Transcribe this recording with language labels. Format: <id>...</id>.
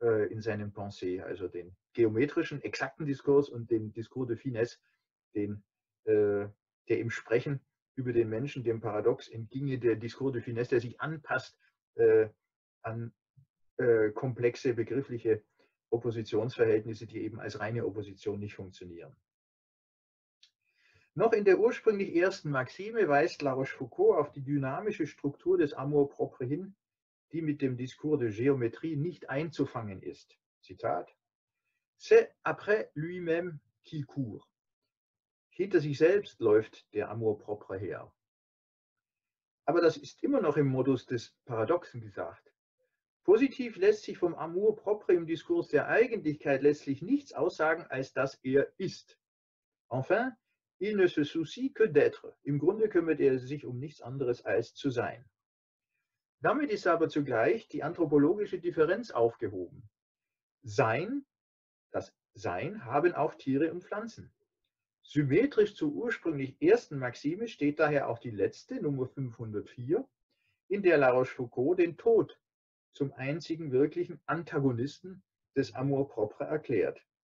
<de>in seinem Pensée, also den geometrischen, exakten Diskurs und den Discours de Finesse, der im Sprechen über den Menschen dem Paradox entginge, der Discours de Finesse, der sich anpasst an komplexe begriffliche Oppositionsverhältnisse, die eben als reine Opposition nicht funktionieren. Noch in der ursprünglich ersten Maxime weist La Rochefoucauld auf die dynamische Struktur des Amour propre hin, die mit dem Discours de Géométrie nicht einzufangen ist. Zitat:</de> <fr>C'est après lui-même qu'il court.</fr> <de>Hinter sich selbst läuft der Amour propre her. Aber das ist immer noch im Modus des Paradoxen gesagt. Positiv lässt sich vom Amour propre im Diskurs der Eigentlichkeit letztlich nichts aussagen, als dass er ist.</de> <fr>Enfin, il ne se soucie que d'être.</fr> <de>Im Grunde kümmert er sich um nichts anderes als zu sein. Damit ist aber zugleich die anthropologische Differenz aufgehoben. Sein, das Sein, haben auch Tiere und Pflanzen. Symmetrisch zur ursprünglich ersten Maxime steht daher auch die letzte, Nummer 504, in der La Rochefoucauld den Tod zum einzigen wirklichen Antagonisten des Amour propre erklärt.</de>